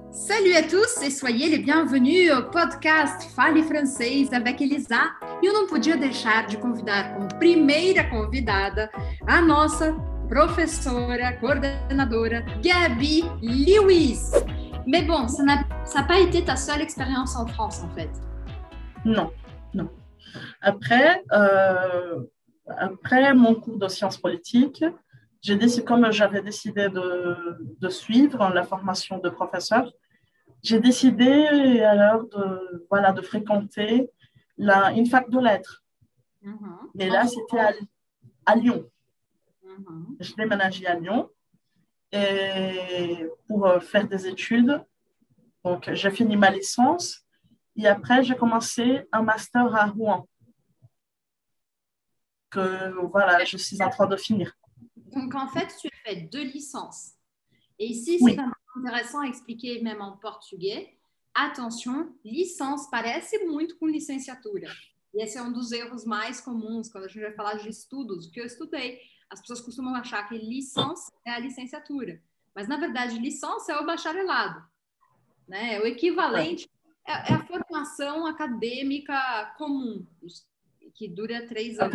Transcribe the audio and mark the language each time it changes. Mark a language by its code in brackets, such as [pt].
[fr] Salut à tous et soyez les bienvenus au podcast Fale Francês avec Elisa. [pt] Eu não podia deixar de convidar como primeira convidada a nossa professora, coordenadora, Gabi Lewis. [fr] Mais bon, ça n'a pas été ta seule expérience en France, en fait. Non, non. Après mon cours de sciences politiques, j'avais décidé de suivre la formation de professeur, j'ai décidé alors de fréquenter une fac de lettres. Mm-hmm. Et là, c'était à Lyon. Mm-hmm. Je déménagé à Lyon et pour faire des études. Donc, j'ai fini ma licence et après, j'ai commencé un master à Rouen. Je suis en train de finir. Donc, en fait, tu as fait deux licences. Et ici, c'est oui. Intéressant à expliquer même en portugais. Attention, licence, [pt] parece muito com licenciatura. E esse é um dos erros mais comuns quando a gente vai falar de estudos, que eu estudei. As pessoas costumam achar que licença é a licenciatura. Mas, na verdade, licença é o bacharelado. Né? É o equivalente, é a formação acadêmica comum, que dura 3 anos.